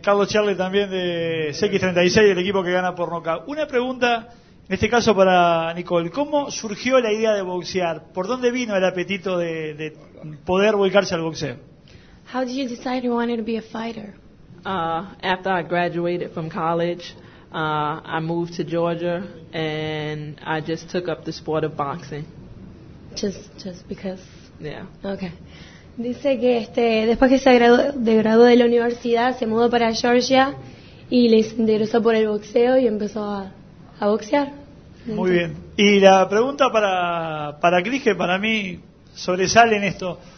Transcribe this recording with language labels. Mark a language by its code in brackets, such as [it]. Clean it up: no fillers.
[es] Carlos Charlie también de CX36, el equipo que gana por nocaut. Una pregunta, en este caso para Nicole, ¿cómo surgió la idea de boxear? ¿Por dónde vino el apetito de poder volcarse al boxeo? [en] How did you decide you wanted to be a fighter? After I graduated from college, I moved to Georgia and I just took up the sport of boxing. Just because. Yeah. Okay. [es] Dice que después que se graduó de la universidad, se mudó para Georgia y le interesó por el boxeo y empezó a boxear. Muy bien. Y la pregunta para Cris, que para mí sobresale en esto.